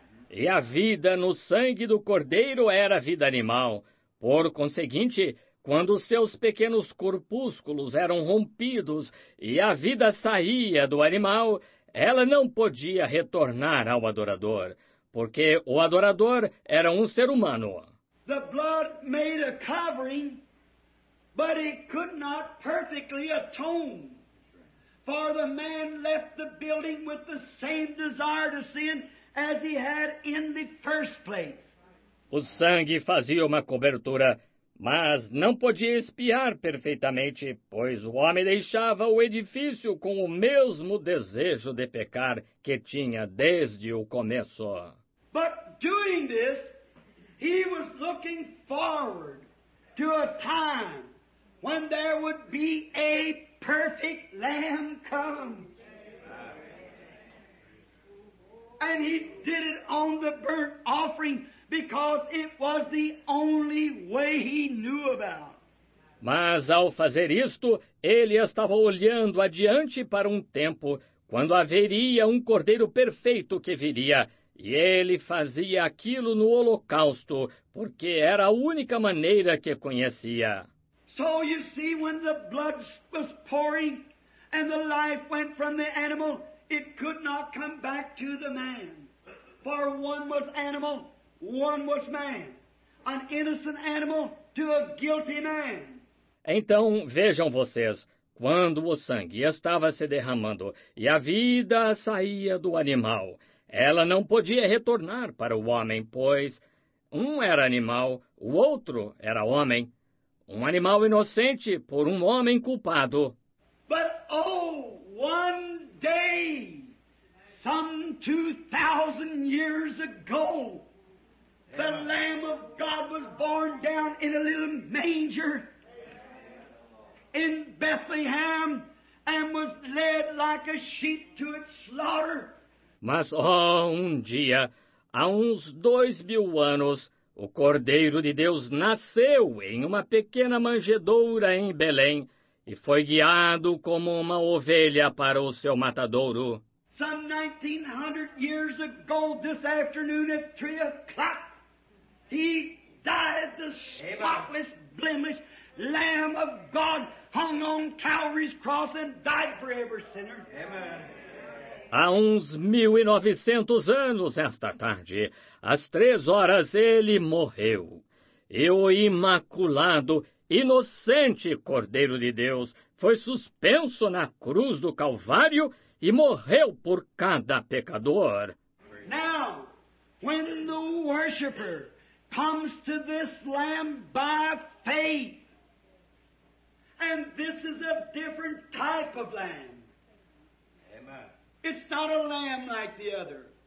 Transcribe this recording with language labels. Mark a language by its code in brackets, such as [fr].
[pt] E a vida no sangue do cordeiro era vida animal. Por conseguinte, quando seus pequenos corpúsculos eram rompidos e a vida saía do animal, ela não podia retornar ao adorador, porque o adorador era um ser humano. [en] The blood made a covering, but it could not perfectly atone. For the man left the building with the same desire to sin as he had in the first place. [pt] O sangue fazia uma cobertura, mas não podia expiar perfeitamente, pois o homem deixava o edifício com o mesmo desejo de pecar que tinha desde o começo. [en] But doing this, he was looking forward to a time when there would be a perfect lamb come. And he did it on the burnt offering because it was the only way he knew about. [pt] Mas ao fazer isto, ele estava olhando adiante para um tempo quando haveria um cordeiro perfeito que viria. E ele fazia aquilo no holocausto, porque era a única maneira que conhecia. [en] So you see, when the blood was pouring and the life went from the animal, it could not come back to the man. For one was animal, one was man. An innocent animal to a guilty man. [pt] Então, vejam vocês, quando o sangue estava se derramando e a vida saía do animal, ela não podia retornar para o homem, pois um era animal, o outro era homem. Um animal inocente por um homem culpado. [en] But oh, one day, some 2,000 years ago, the Lamb of God was born down in a little manger in Bethlehem and was led like a sheep to its slaughter. [pt] Mas, oh, um dia, há uns 2,000 anos, o Cordeiro de Deus nasceu em uma pequena manjedoura em Belém e foi guiado como uma ovelha para o seu matadouro. [en] Some 1,900 years ago, this afternoon at 3 o'clock, he died the spotless, blemished Lamb of God hung on Calvary's cross and died for every sinner. Amen. [pt] Há uns 1,900 anos, esta tarde, às 3 horas, ele morreu. E o imaculado, inocente Cordeiro de Deus foi suspenso na cruz do Calvário e morreu por cada pecador. [en] Now, when the worshiper comes to this Lamb by faith, and this is a different type of Lamb. It's not a lamb like the other.